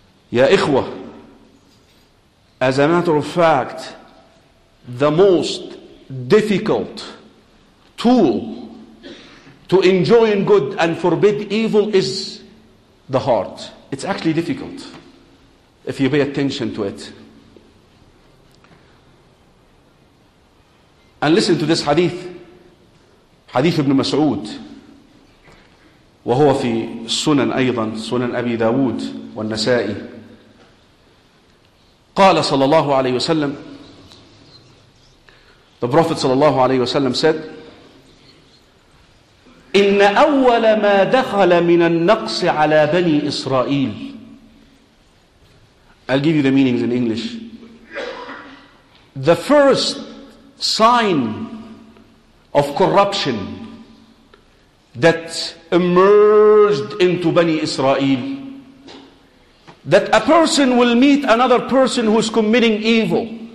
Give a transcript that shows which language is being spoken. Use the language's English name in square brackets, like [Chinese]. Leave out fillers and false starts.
[Arabic] Ya ikhwa, [English] as a matter of fact, the most difficult tool to enjoin good and forbid evil is the heart. It's actually difficult if you pay attention to it. And listen to this hadith. [Arabic] حديث ابن مسعود وهو في السنن أيضا, سنن أبي داود والنسائي, قال صلى الله عليه وسلم, [English] the Prophet [Arabic] صلى الله عليه وسلم [English] said, [Arabic] إن أول ما دخل من النقص على بني إسرائيل. [English] I'll give you the meanings in English. The first sign of corruption that emerged into Bani Israel. That a person will meet another person who is committing evil.